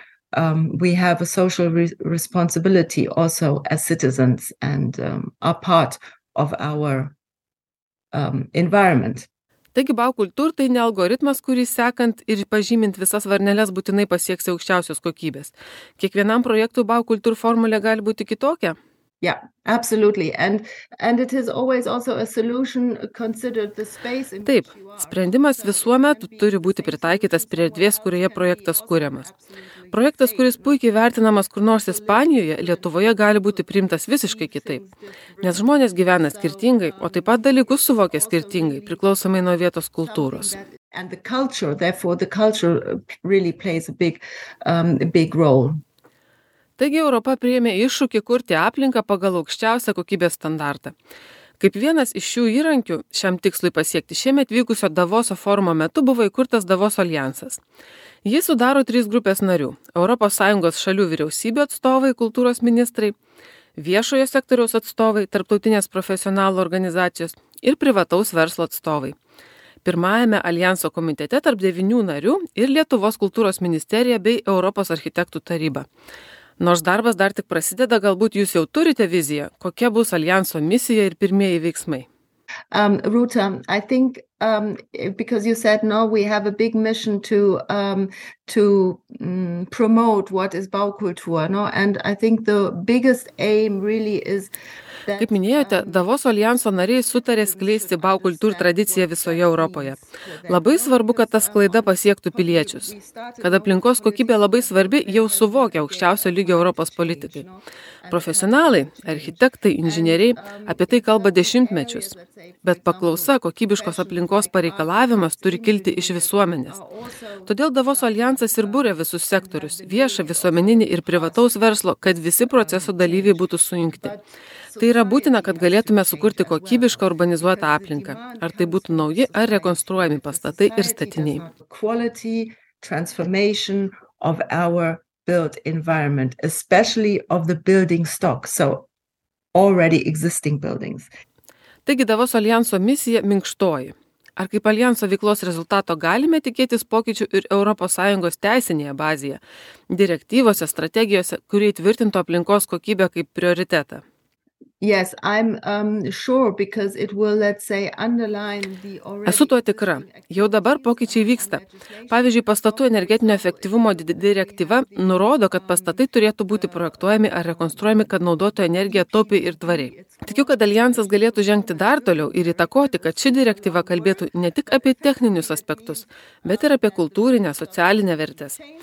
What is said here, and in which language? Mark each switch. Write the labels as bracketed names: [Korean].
[English] We have a social responsibility also as citizens and are part of our environment. [Lithuanian] Taigi baukultūr tai ne algoritmas, kurį sekant ir pažymint visas varneles būtinai pasieks aukščiausios kokybės. Kiekvienam projektui baukultūr formulė gali būti kitokia. [English] Yeah, absolutely. And it is always also a solution considered the space in which [Lithuanian] Taip, sprendimas visuomet turi būti pritaikytas prie erdvės, kurioje projektas kuriamas. Projektas, kuris puikiai vertinamas kur nors Ispanijoje, Lietuvoje gali būti priimtas visiškai kitaip. Nes žmonės gyvena skirtingai, o taip pat dalykus suvokia skirtingai, priklausomai nuo vietos kultūros. [English] And the culture, therefore the culture really plays a big role. [Lithuanian] Taigi Europa priėmė iššūkį kurti aplinką pagal aukščiausią kokybės standartą. Kaip vienas iš šių įrankių šiam tikslui pasiekti šiemet vykusio Davoso forumo metu buvo įkurtas Davoso aljansas. Jis sudaro trys grupės narių – Europos Sąjungos šalių vyriausybių atstovai, kultūros ministrai, viešojo sektoriaus atstovai, tarptautinės profesionalų organizacijos ir privataus verslo atstovai. Pirmajame aljanso komitete tarp 9 narių ir Lietuvos kultūros ministerija bei Europos architektų taryba. Nors darbas dar tik prasideda, galbūt jūs jau turite viziją, kokia bus aljanso misija ir pirmieji veiksmai. [English] Ruta, I think because you said no, we have a big mission to promote what is Baukultur, no? And I think the biggest aim really is [Lithuanian] Kaip minėjote, Davoso aljanso nariai sutarė skleisti baukultūr tradiciją visoje Europoje. Labai svarbu, kad ta sklaida pasiektų piliečius. Kad aplinkos kokybė labai svarbi, jau suvokia aukščiausio lygio Europos politikai. Profesionalai, architektai, inžinieriai apie tai kalba dešimtmečius. Bet paklausa kokybiškos aplinkos pareikalavimas turi kilti iš visuomenės. Todėl Davoso aljansas ir būrė visus sektorius – viešą, visuomeninį ir privataus verslo, kad visi proceso dalyviai būtų sujungti. Tai yra būtina, kad galėtume sukurti kokybišką urbanizuotą aplinką, ar tai būtų nauji ar rekonstruojami pastatai ir statiniai. [English] Quality transformation of our built environment, especially of the building stock, so already existing buildings. [Lithuanian] Taigi Davoso aljanso misija minkštoji. Ar kaip aljanso veiklos rezultato galime tikėtis pokyčių ir Europos Sąjungos teisinėje bazėje, direktyvose, strategijose, kurie įtvirtinto aplinkos kokybę kaip prioritetą? [English] Yes, I'm sure because it will, let's say, underline the already. [Lithuanian] Esu tuo tikra. Jau dabar pokyčiai vyksta. Pavyzdžiui, pastatų energetinio efektyvumo direktyva nurodo, kad pastatai turėtų būti projektuojami ar rekonstruojami, kad naudotų energiją taupiai ir tvariai. Tikiu, kad aljansas galėtų žengti dar toliau ir įtakoti, kad ši direktyva kalbėtų ne tik apie techninius aspektus, bet ir apie kultūrinę, socialinę vertės.